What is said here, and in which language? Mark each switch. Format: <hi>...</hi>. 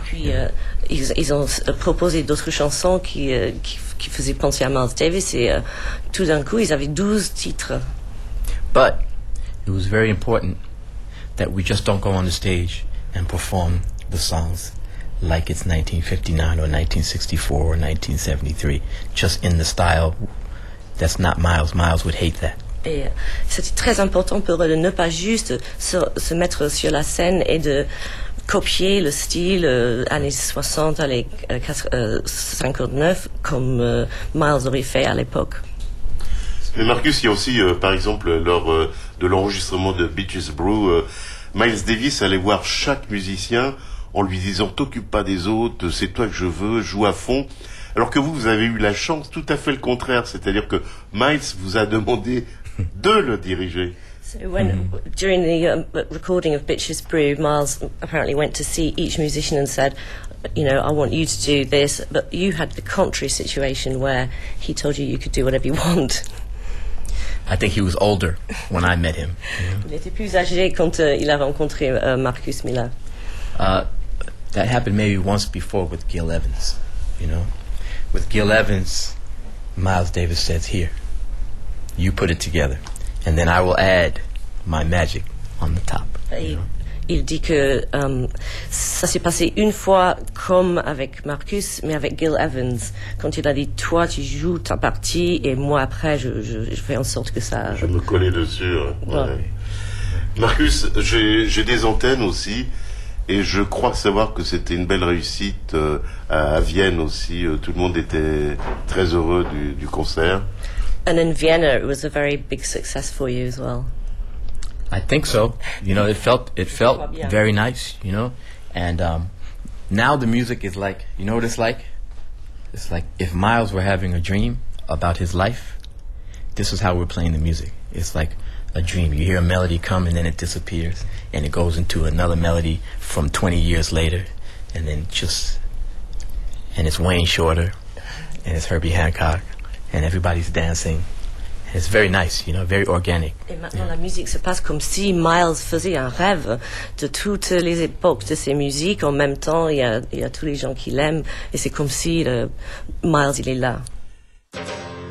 <fr>Et puis ils ont proposé d'autres chansons qui faisaient penser à Miles Davis, et tout d'un coup ils avaient 12 titres.</fr> <en>But it was very important that we just don't go on the stage and perform the songs like it's 1959 or 1964 or 1973, just in the style that's not Miles. Miles would hate that.</en> <fr>Et c'était très important pour eux de ne pas juste se mettre sur la scène et de copier le style années 60, années 59, comme Miles aurait fait à l'époque. Mais Marcus, il y a aussi, par exemple, lors de l'enregistrement de Beaches Brew, Miles Davis allait voir chaque musicien en lui disant « T'occupe pas des autres, c'est toi que je veux, joue à fond. » Alors que vous avez eu la chance tout à fait le contraire, c'est-à-dire que Miles vous a demandé de le diriger.</fr> <en>So when, during the recording of Beaches Brew, Miles apparently went to see each musician and said, you know, I want you to do this, but you had the contrary situation where he told you you could do whatever you want. I think he was older when I met him.</en> <fr>Il était plus âgé quand il a rencontré Marcus Miller.</fr> <en>That happened maybe once before with Gil Evans, you know. With Gil Evans, Miles Davis says, "Here, you put it together, and then I will add my magic on the top."</en> <fr>Il dit que ça s'est passé une fois comme avec Marcus, mais avec Gil Evans. Quand il a dit, toi, tu joues ta partie, et moi, après, je fais en sorte que ça... Je me collais dessus. Ouais. Ouais. Marcus, j'ai des antennes aussi, et je crois savoir que c'était une belle réussite à Vienne aussi. Tout le monde était très heureux du concert.</fr> <en>And in Vienna, it was a very big success for you as well. I think so. You know, it felt very nice, you know. And now the music is like, you know what it's like? It's like if Miles were having a dream about his life, this is how we're playing the music. It's like a dream. You hear a melody come and then it disappears and it goes into another melody from 20 years later. And then just, and it's Wayne Shorter and it's Herbie Hancock and everybody's dancing It's very nice, you know, very organic.</en> <fr>Et maintenant, yeah. La musique se passe comme si Miles faisait un rêve de toutes les époques de ses musiques. En même temps, il y a tous les gens qui l'aiment. Et c'est comme si Miles, il est là.</fr> <en>Thank you.</en>